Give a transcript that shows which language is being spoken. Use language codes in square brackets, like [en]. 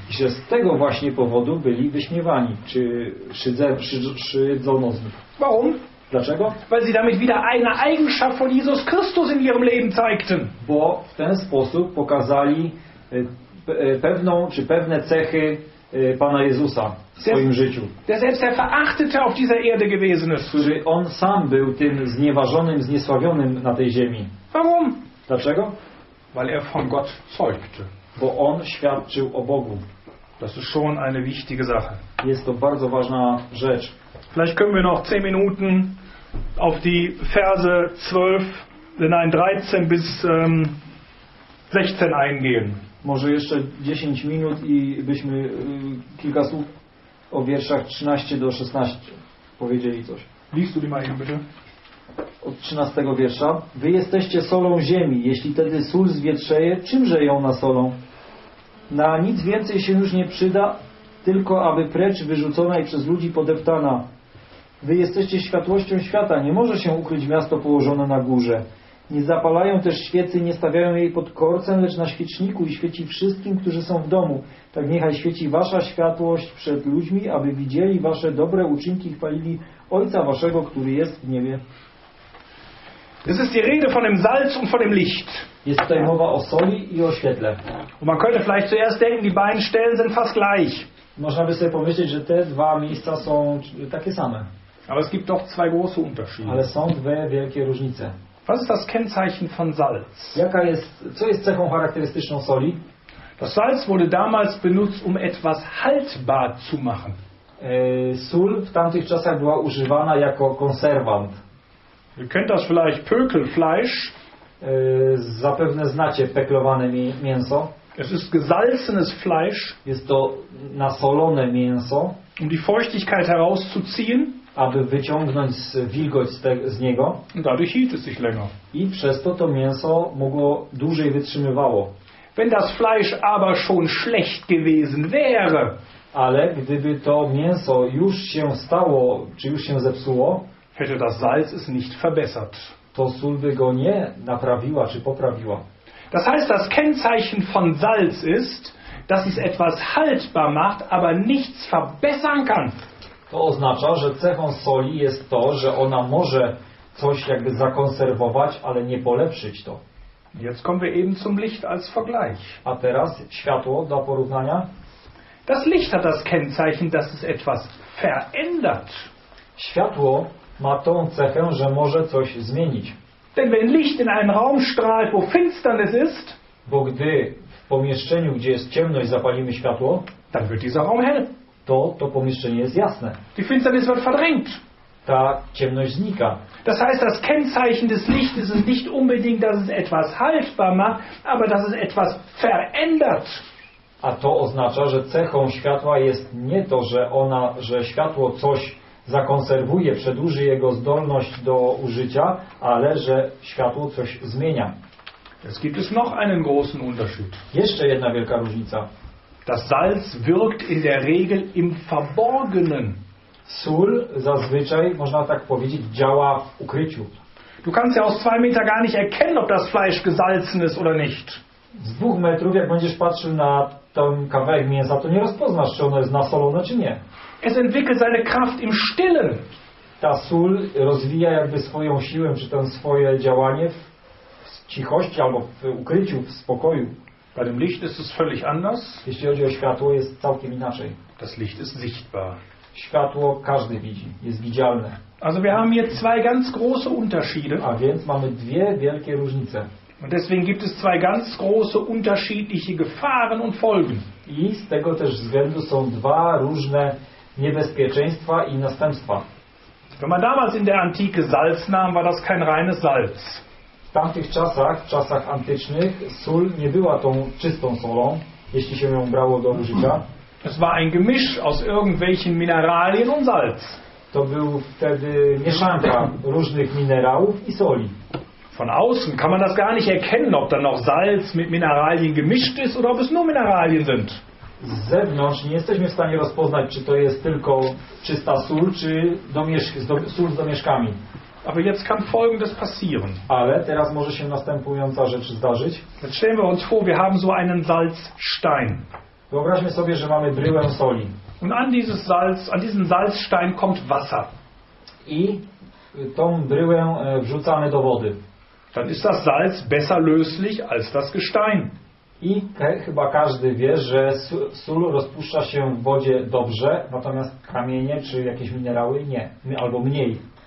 [pl] I że z tego właśnie powodu byli wyśmiewani, czy szydzono z nich. [de] Warum? [pl] Dlaczego? [de] Weil sie damit wieder eine Eigenschaft von Jesus Christus in ihrem Leben zeigten. [pl] Bo w ten sposób pokazali pewną czy pewne cechy Pana Jezusa w swoim życiu. [de] Der selbst der Verachtete auf dieser Erde gewesen ist. [pl] Który on sam był tym znieważonym, zniesławionym na tej ziemi. [de] Warum? [pl] Dlaczego? [de] Weil von Gott zeugte. [pl] Bo on świadczył o Bogu. [de] Das ist schon eine wichtige Sache. [pl] Jest to bardzo ważna rzecz. [de] Vielleicht können wir noch 10 Minuten auf die Verse 12, nein, 13 bis 16 eingehen. [pl] Może jeszcze 10 minut i byśmy kilka słów o wierszach 13 do 16 powiedzieli coś. [de] Liest du die mal hier, bitte? [pl] Od 13 wiersza. Wy jesteście solą ziemi. Jeśli tedy sól zwietrzeje, czymże ją nasolą? Na nic więcej się już nie przyda, tylko aby precz wyrzucona i przez ludzi podeptana. Wy jesteście światłością świata. Nie może się ukryć miasto położone na górze. Nie zapalają też świecy, nie stawiają jej pod korcem, lecz na świeczniku i świeci wszystkim, którzy są w domu. Tak niechaj świeci wasza światłość przed ludźmi, aby widzieli wasze dobre uczynki i chwalili Ojca waszego, który jest w niebie. [de] Es ist die Rede von dem Salz und von dem Licht. [pl] Jest tutaj mowa o soli i o świetle. [de] Und man könnte vielleicht zuerst denken, die beiden Stellen sind fast gleich. [pl] Można by sobie pomyśleć, że te dwa miejsca są takie same. [de] Aber es gibt doch zwei große Unterschiede. [pl] Ale są dwie wielkie różnice. [de] Was ist das Kennzeichen von Salz? [pl] Jaka jest, co jest cechą charakterystyczną soli? [de] Das Salz wurde damals benutzt, um etwas haltbar zu machen. [pl] Sól w tamtych czasach była używana jako konserwant. [de] Ihr kennt das vielleicht Pökelfleisch. [pl] Zapewne znacie peklowane mięso. [de] Es ist gesalzenes Fleisch. [pl] Jest to nasolone mięso. [de] Um die Feuchtigkeit herauszuziehen. [pl] Aby wyciągnąć wilgoć z niego. [de] Dadurch hielt es sich länger. [pl] I przez to to mięso mogło dłużej wytrzymywało. [de] Wenn das Fleisch aber schon schlecht gewesen wäre. [pl] Ale gdyby to mięso już się stało, czy już się zepsuło, [de] hätte das Salz es nicht verbessert. [pl] To sól by go nie naprawiła, czy poprawiła. [de] Das heißt, das Kennzeichen von Salz ist, dass es etwas haltbar macht, aber nichts verbessern kann. [pl] To oznacza, że cechą soli jest to, że ona może coś jakby zakonserwować, ale nie polepszyć to. [de] Jetzt kommen wir eben zum Licht als Vergleich. [pl] A teraz światło do porównania. [de] Das Licht hat das Kennzeichen, dass es etwas verändert. [pl] Światło ma tą cechę, że może coś zmienić. [de] Denn wenn Licht in einen Raum strahlt, wo Finsternis ist, [pl] bo gdy w pomieszczeniu, gdzie jest ciemność, zapalimy światło, [de] dann wird dieser Raum hell. [pl] To pomieszczenie jest jasne. [de] Die Finsternis wird verdrängt. [pl] Ta ciemność znika. [de] Das heißt, das Kennzeichen des Lichtes ist nicht unbedingt, dass es etwas haltbar macht, aber dass es etwas verändert. [pl] A to oznacza, że cechą światła jest nie to, że światło coś zakonserwuje, przedłuży jego zdolność do użycia, ale że światło coś zmienia. [de] Es gibt es noch einen großen Unterschied. [pl] Jeszcze jedna wielka różnica. [de] Das Salz wirkt in der Regel im Verborgenen. [pl] Sól zazwyczaj, można tak powiedzieć, działa w ukryciu. [de] Du kannst ja aus zwei Meter gar nicht erkennen, ob das Fleisch gesalzen ist oder nicht. [pl] Z dwóch metrów, jak będziesz patrzył na ten kawałek mięsa, to nie rozpoznasz, czy ono jest nasolone, czy nie. [de] Es entwickelt seine Kraft im Stillen. [pl] Ta sól rozwija jakby swoją siłę, czy tam swoje działanie w cichości, albo w ukryciu, w spokoju. [de] Bei dem Licht ist es völlig anders. [pl] Jeśli chodzi o światło, jest całkiem inaczej. [de] Das Licht ist sichtbar. [pl] Światło każdy widzi, jest widzialne. [de] Also wir haben hier zwei ganz große Unterschiede. [pl] A więc mamy dwie wielkie różnice. [de] Und deswegen gibt es zwei ganz große unterschiedliche Gefahren und Folgen. [pl] I z tego też względu są dwa różne niebezpieczeństwa i następstwa. [de] Wenn man damals in der Antike Salz nahm, war das kein reines Salz. [pl] W tamtych czasach, w czasach antycznych, sól nie była tą czystą solą, jeśli się ją brało do użycia. [de] Es war ein Gemisch aus irgendwelchen Mineralien und Salz. [pl] To był wtedy mieszanka różnych minerałów i soli. [de] Von außen kann man das gar nicht erkennen, ob da noch Salz mit Mineralien gemischt ist oder ob es nur Mineralien sind. [pl] Z zewnątrz nie jesteśmy w stanie rozpoznać, czy to jest tylko czysta sól, czy sól z domieszkami. [de] Aber jetzt kann Folgendes passieren. [pl] Ale teraz może się następująca rzecz zdarzyć. [de] Jetzt stellen wir uns vor, wir haben so einen Salzstein. [pl] Wyobraźmy sobie, że mamy bryłę soli. [de] Und an diesen Salzstein kommt Wasser. [pl] I tą bryłę wrzucamy do wody. [de] Dann ist das Salz besser löslich als das Gestein. [pl] I chyba każdy wie, że sól rozpuszcza się w wodzie dobrze, natomiast kamienie czy jakieś minerały nie, albo mniej.